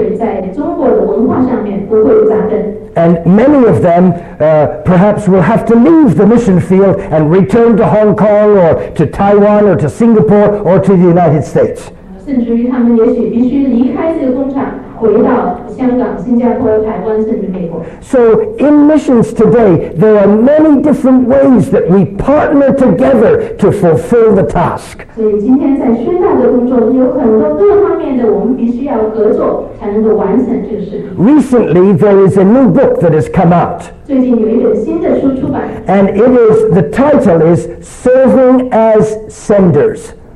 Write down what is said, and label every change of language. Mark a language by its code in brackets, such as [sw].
[zh] 如果我们没有办法在这一方面支持这些华人的宣教士，那他们的儿女就会在中国的文化上面不会扎根。 [en] And many of them perhaps will have to leave the mission field and return to Hong Kong or to Taiwan or to Singapore or to the United States. [zh] 甚至于他们也许必须离开这个工厂，回到香港、新加坡、台湾，甚至美国。 [en] So in missions today, there are many different ways that we partner together to fulfill the task. [zh] 所以今天在宣道的工作有很多各方面的，我们必须要合作才能够完成这个事。 [en] Recently, there is a new book that has come out. [zh] 最近有一本新的书出版。 [en] And it is, the title is Serving as Senders.